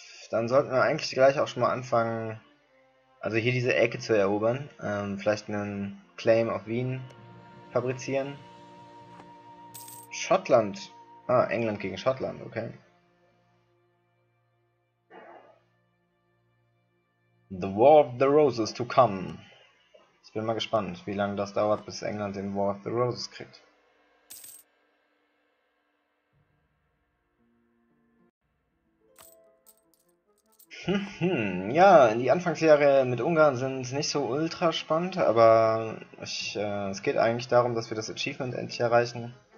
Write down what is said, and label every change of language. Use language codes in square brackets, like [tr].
[de] Dann sollten wir eigentlich gleich auch schon mal anfangen, also hier diese Ecke zu erobern. Vielleicht einen Claim auf Wien fabrizieren. Schottland. Ah, England gegen Schottland, okay. [en] The War of the Roses to come. [de] Ich bin mal gespannt, wie lange das dauert, bis England den War of the Roses kriegt. Ja, die Anfangsjahre mit Ungarn sind nicht so ultra spannend, aber es geht eigentlich darum, dass wir das Achievement endlich erreichen.